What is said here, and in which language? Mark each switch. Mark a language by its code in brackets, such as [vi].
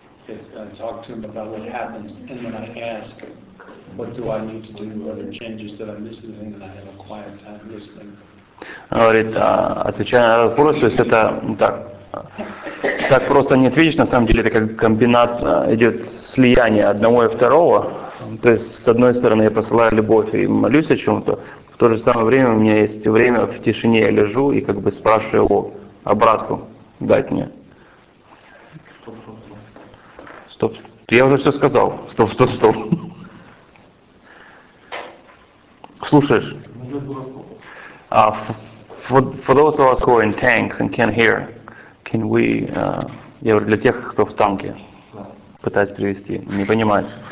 [en] I talk to him about what happens, and then I ask, what do I need to do, what are the changes that I'm missing, and then I have a quiet time listening. [ru] Говорит, отвечая на вопрос, то есть это так, так просто не ответишь, на самом деле это как комбинат, идет слияние одного и второго, то есть с одной стороны я посылаю любовь и молюсь о чем-то, в то же самое время у меня есть время в тишине, я лежу и как бы спрашиваю его обратку дать мне. Стоп, я уже все сказал. Стоп. Слушаешь? [en] For those of us who are in tanks and can't hear, can we? [ru] Я говорю, для тех, кто в танке, пытаюсь перевести, не понимает.